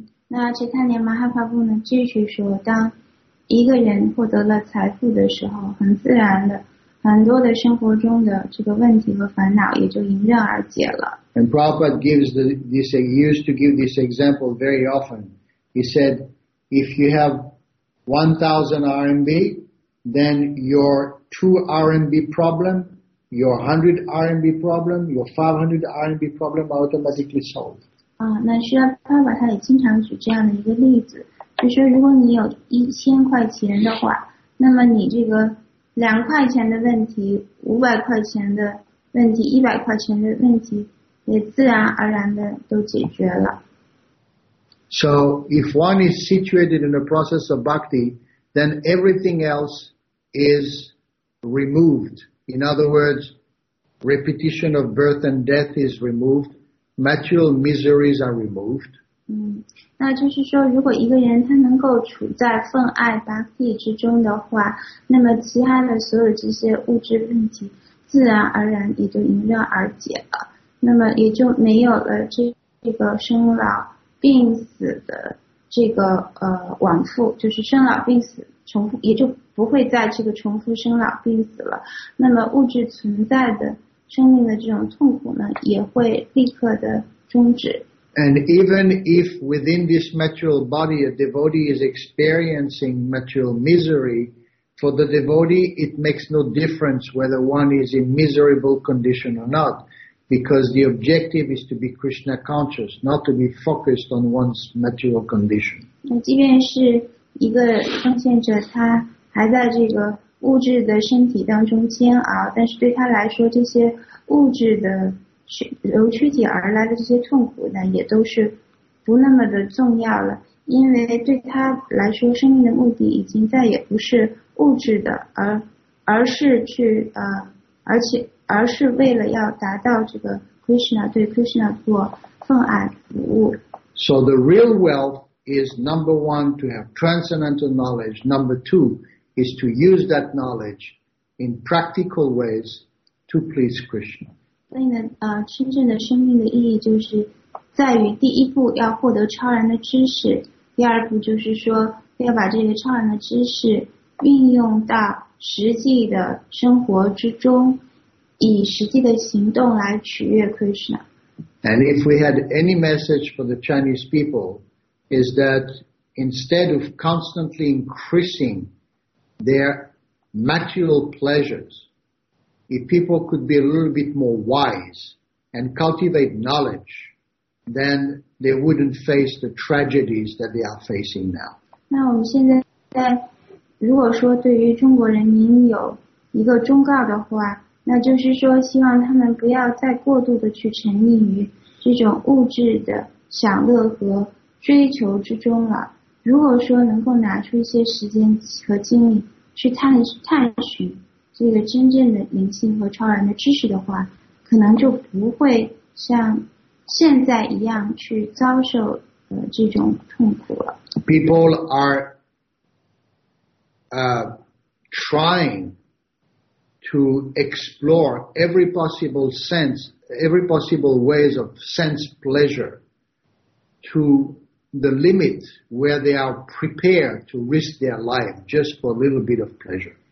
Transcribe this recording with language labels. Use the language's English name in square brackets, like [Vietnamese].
[Chinese] 那Chaitanya Mahaprabhu呢继续说，当一个人获得了财富的时候，很自然的，很多的生活中的这个问题和烦恼也就迎刃而解了。 [English] And Prabhupada gives this used to give this example very often. He said, if you have 1,000 RMB, then your 2 RMB problem. Your 100 RMB problem, your 500 RMB problem automatically solved. [Chinese] 那需要爸爸他也经常举这样的一个例子，就说如果你有1000块钱的话，那么你这个2块钱的问题、500块钱的问题、100块钱的问题，也自然而然的都解决了。 [English] So if one is situated in the process of bhakti, then everything else is removed. In other words, repetition of birth and death is removed. Material miseries are removed. [Chinese] 那就是说，如果一个人他能够处在奉爱巴蒂之中的话，那么其他的所有这些物质问题自然而然也就迎刃而解了。那么也就没有了这个生老病死的这个往复，就是生老病死重复，也就。不会在这个重复生老病死了，那么物质存在的生命的这种痛苦呢，也会立刻的终止。 [English] And even if within this material body a devotee is experiencing material misery, for the devotee it makes no difference whether one is in miserable condition or not, because the objective is to be Krishna conscious, not to be focused on one's material condition. [Chinese] 那即便是一个奉献者他还在这个物质的身体当中煎熬，但是对他来说，这些物质的由躯体而来的这些痛苦呢，也都是不那么的重要了，因为对他来说，生命的目的已经再也不是物质的，而是为了要达到这个 Krishna 对 Krishna 做奉爱服务。 [English] So the real wealth is number one to have transcendental knowledge. Number two. Is to use that knowledge in practical ways to please Krishna. [Chinese] 所以呢，真正的生命的意义就是在于第一步要获得超然的知识，第二步就是说要把这个超然的知识运用到实际的生活之中，以实际的行动来取悦 Krishna. [English] And if we had any message for the Chinese people, is that instead of constantly increasing their material pleasures, if people could be a little bit more wise and cultivate knowledge, then they wouldn't face the tragedies that they are facing now. [Chinese] 那我们现在如果说对于中国人民有一个忠告的话，那就是说希望他们不要再过度的去沉溺于这种物质的享乐和追求之中了。如果说能够拿出一些时间和精力去探寻这个真正的灵性和超然的知识的话，可能就不会像现在一样去遭受这种痛苦了。 [English] People are trying to explore every possible sense, every possible ways of sense pleasure to the limit where they are prepared to risk their life just for a little bit of pleasure.